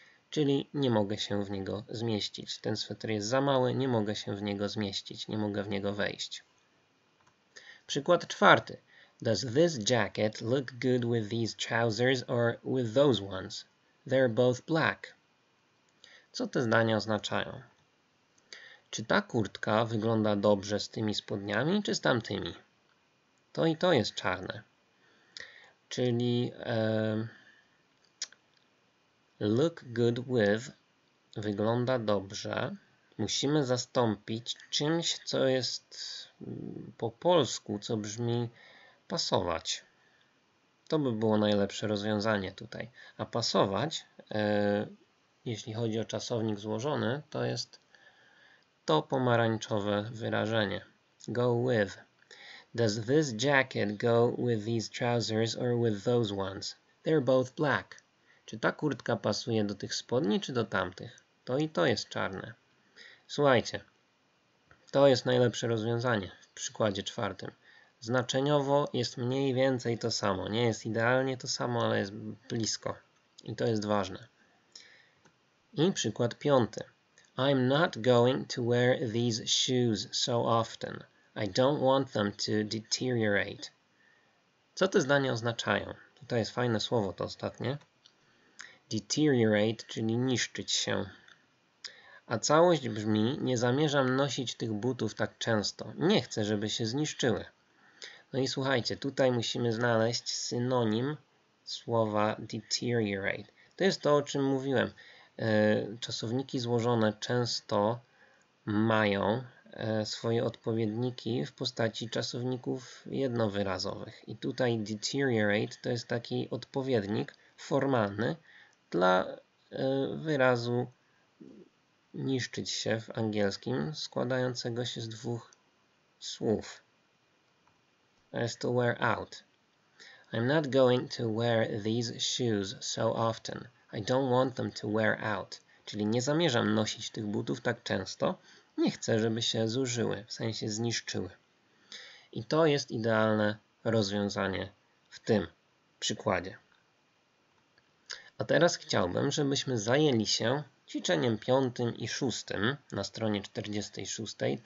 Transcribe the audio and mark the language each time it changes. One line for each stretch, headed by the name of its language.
Polish: Czyli nie mogę się w niego zmieścić. Ten sweter jest za mały, nie mogę się w niego zmieścić, nie mogę w niego wejść. Przykład czwarty.
English: Does this jacket look good with these trousers or with those ones? They're both black.
Polish: Co te zdania oznaczają? Czy ta kurtka wygląda dobrze z tymi spodniami czy z tamtymi? To i to jest czarne. Czyli look good with wygląda dobrze. Musimy zastąpić czymś, co jest po polsku, co brzmi pasować. To by było najlepsze rozwiązanie tutaj. A pasować, jeśli chodzi o czasownik złożony, to jest to pomarańczowe wyrażenie.
English: Go with. Does this jacket go with these trousers or with those ones? They're both black.
Polish: Czy ta kurtka pasuje do tych spodni, czy do tamtych? To i to jest czarne. Słuchajcie, to jest najlepsze rozwiązanie w przykładzie czwartym. Znaczeniowo jest mniej więcej to samo. Nie jest idealnie to samo, ale jest blisko. I to jest ważne. I przykład piąty.
English: I'm not going to wear these shoes so often. I don't want them to deteriorate.
Polish: Co te zdania oznaczają? Tutaj jest fajne słowo to ostatnie. Deteriorate, czyli niszczyć się. A całość brzmi, nie zamierzam nosić tych butów tak często. Nie chcę, żeby się zniszczyły. No i słuchajcie, tutaj musimy znaleźć synonim słowa deteriorate. To jest to, o czym mówiłem. Czasowniki złożone często mają swoje odpowiedniki w postaci czasowników jednowyrazowych. I tutaj deteriorate to jest taki odpowiednik formalny dla wyrazu niszczyć się w angielskim, składającego się z dwóch słów. To jest to wear out.
English: I'm not going to wear these shoes so often. I don't want them to wear out.
Polish: Czyli nie zamierzam nosić tych butów tak często. Nie chcę, żeby się zużyły, w sensie zniszczyły. I to jest idealne rozwiązanie w tym przykładzie. A teraz chciałbym, żebyśmy zajęli się ćwiczeniem piątym i szóstym na stronie 46.